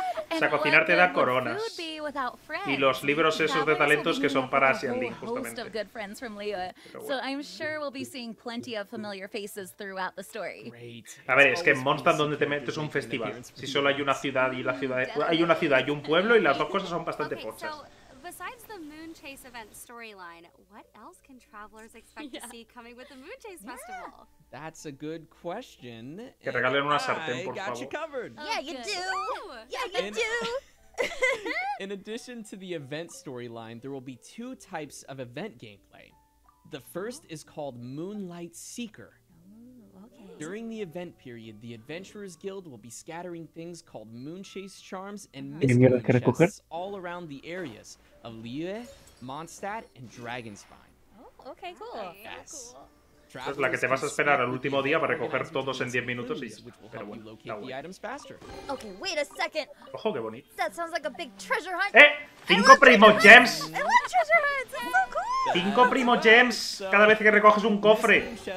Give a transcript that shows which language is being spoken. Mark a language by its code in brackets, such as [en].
[es] O sea, cocinar te da coronas. Y los libros esos de talentos que son para Xiangling, justamente. [en] So I'm sure we'll be seeing plenty of familiar faces throughout the story. [es] A ver, es que en Mondstadt donde te metes es un festival. Si solo hay una ciudad y la ciudad hay una ciudad y un pueblo y las dos cosas son bastante pochas. [en] Besides the Moon Chase event storyline, what else can travelers expect to see coming with the Moon Chase festival? That's a good question. [es] Que regalen una sartén, por favor. [en] I got you covered. Yeah, you do. Yeah, you do. In addition to the event storyline, there will be two types of event gameplay. The first is called Moonlight Seeker. During the event period, the Adventurers Guild will be scattering things called Moonchase Charms and Mystery Chests all around the areas of Liyue, Mondstadt, and Dragonspine. Oh, okay, cool. Yes. [es] Es la que te vas a esperar al último día para recoger todos en 10 minutos y ya. Pero bueno, [en] okay, wait a second. [es] Ojo, qué bonito. [en] That sounds like a big treasure hunt. [es] ¡Eh! ¡Cinco primo gems! [en] I love treasure hunts. It's so cool. [es] ¡Cinco primo gems cada vez que recoges un cofre!